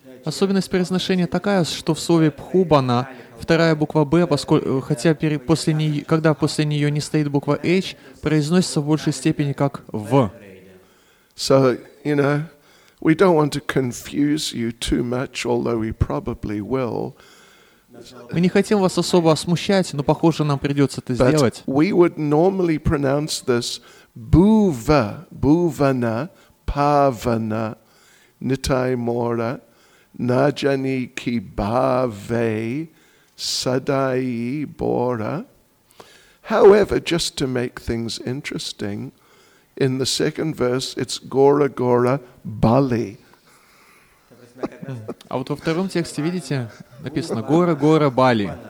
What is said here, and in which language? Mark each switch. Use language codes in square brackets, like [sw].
[ru] Особенность произношения такая, что в слове Бхубана вторая буква Б, поскольку хотя после нее, когда после нее не стоит буква H, произносится в большей степени как В. [en] So, you know, we don't want to confuse you too much, although we probably will. [ru] Мы не хотим вас особо смущать, но похоже, нам придется это [en] but [ru] сделать. [en] We would normally pronounce this [bn] Bhuva, Bhuvana, Pavana, Nitai Mora, Najani Ki Bhave, Sadai Bora. [en] However, just to make things interesting, in the second verse, it's Gora Gora Bali. [ru] А вот во втором тексте, видите, написано Гора Гора Бали.